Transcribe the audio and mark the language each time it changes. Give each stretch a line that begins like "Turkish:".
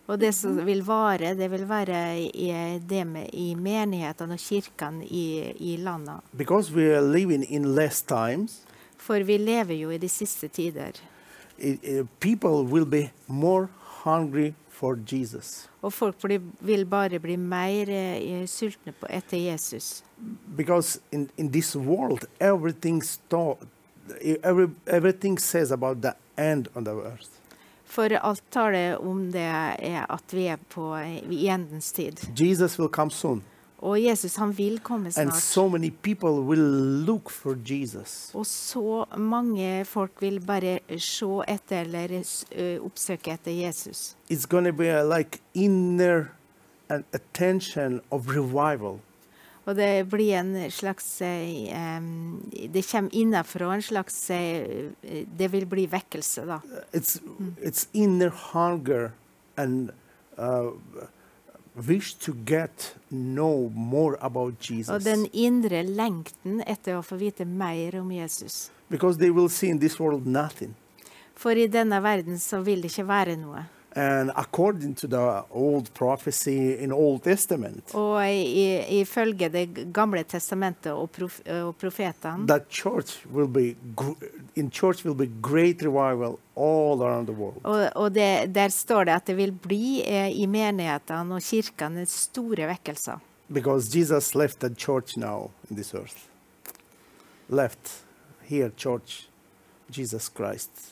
Norwegian: Og det som vil være, det vil være i, det med, i menighetene og kirken i landet.
English: Because we are living in less times.
Norwegian: For vi lever jo i de siste tider.
English: People will be more hungry for Jesus.
Norwegian: Og folk vil bare bli mer sultne på etter Jesus.
English: Because in this world, everything says about that. End on the earth.
Norwegian: For alt taler om det er at vi er på i endens tid.
English: Jesus will come soon.
Norwegian: Og Jesus han vil komme snart.
English: And so many people will look for Jesus.
Norwegian: Og så mange folk vil bare se etter eller oppsøke etter Jesus.
English: It's going to be like inner attention of revival.
Norwegian: Og det blir en slags, det kommer innenfra en slags, det vil bli vekkelse da.
English: It's inner hunger and wish to get know more about Jesus.
Norwegian: Og den indre lengten etter å få vite mer om Jesus.
English: Because they will see in this world nothing.
Norwegian: For i denne verden så vil det ikke være noe.
English: And according to the old prophecy in Old Testament,
Norwegian: og i følge det gamle testamentet og profetene,
English: that church will be in church will be great revival all around the world.
Norwegian: Og det, der står det at det vil bli i menighetene og kirkene store vekkelser.
English: Because Jesus left the church now in this earth. left here church, Jesus Christ.